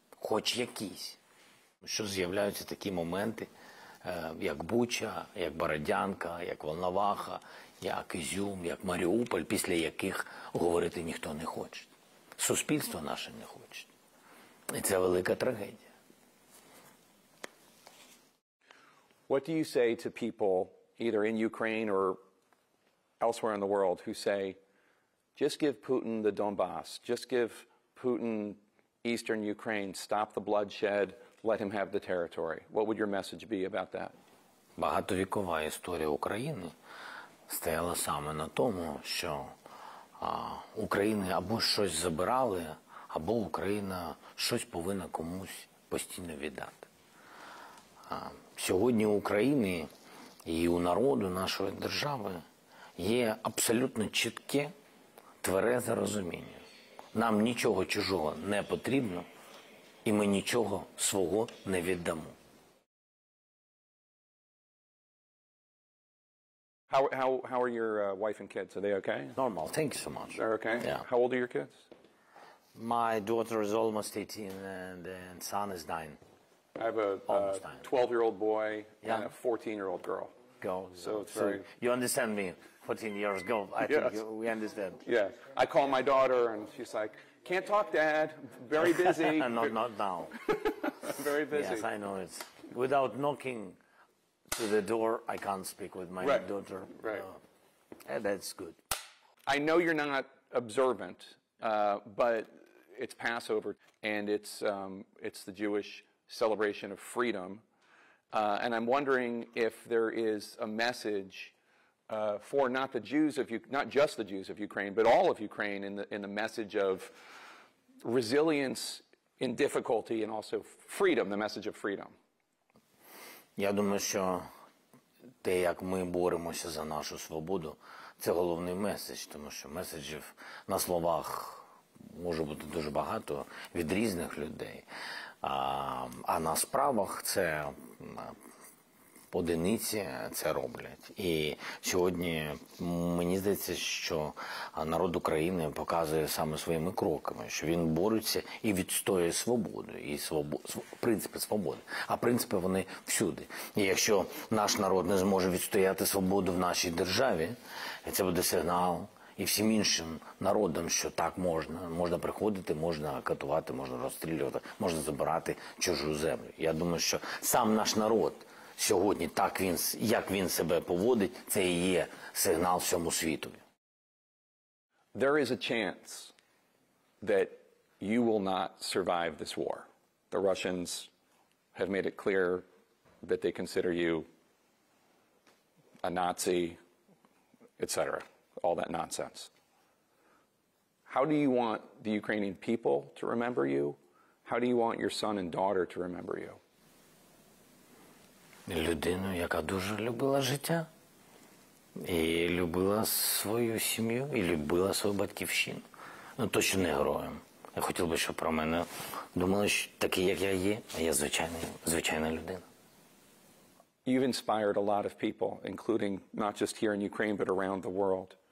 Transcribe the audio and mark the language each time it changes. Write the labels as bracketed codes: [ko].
[uk] Хоч якийсь. Що з'являються такі моменти, як Буча, як Бородянка, як Волноваха, як Ізюм, як Маріуполь, після яких говорити ніхто не хоче. Суспільство наше не хоче. І це велика трагедія. [en] What do you say to people either in Ukraine or elsewhere in the world who say just give Putin the Donbas, just give Putin eastern Ukraine, stop the bloodshed, let him have the territory? What would your message be about that? [uk] Багатовікова історія України стояла саме на тому, що України або щось забирали, або Україна щось повинна комусь постійно віддати. Сьогодні у України і у народу нашої держави є абсолютно чітке, тверезе розуміння. Нам нічого чужого не потрібно, і ми нічого свого не віддамо. [en] How are your wife and kids? Are they okay? Normal. Thank you so much. They're okay? Yeah. How old are your kids? My daughter is almost 18 and son is 9. I have a 12-year-old boy, yeah, and a 14-year-old girl. Go. So it's very... So you understand me. 14 years ago, I think we understand. Yeah. I call my daughter and she's like, can't talk, Dad. Very busy. not now. Very busy. Yes, I know. It's without knocking to the door, I can't speak with my daughter. Right. And that's good. I know you're not observant, but it's Passover, and it's the Jewish celebration of freedom. And I'm wondering if there is a message for not the Jews of not just the Jews of Ukraine, but all of Ukraine, in the message of resilience in difficulty, and also freedom, the message of freedom. [uk] Я думаю, що те, як ми боремося за нашу свободу, це головний меседж, тому що меседжів на словах може бути дуже багато від різних людей. А на справах це одиниці це роблять. І сьогодні мені здається, що народ України показує саме своїми кроками, що він бореться і відстоює свободу, і принципи свободи. А принципи вони всюди. І якщо наш народ не зможе відстояти свободу в нашій державі, це буде сигнал і всім іншим народам, що так можна. Можна приходити, можна катувати, можна розстрілювати, можна забирати чужу землю. Я думаю, що сам наш народ сьогодні, так він, як він себе поводить, це і є сигнал всьому світу. [en] There is a chance that you will not survive this war. The Russians have made it clear that they consider you a Nazi, etc. All that nonsense. How do you want the Ukrainian people to remember you? How do you want your son and daughter to remember you? [uk] Людину, яка дуже любила життя, і любила свою сім'ю, і любила свою батьківщину. Ну, точно не героєм. Я хотів би, щоб про мене думали, що такий, як я є, а я звичайна людина. [en] You've inspired a lot of people, including not just here in Ukraine, but around the world.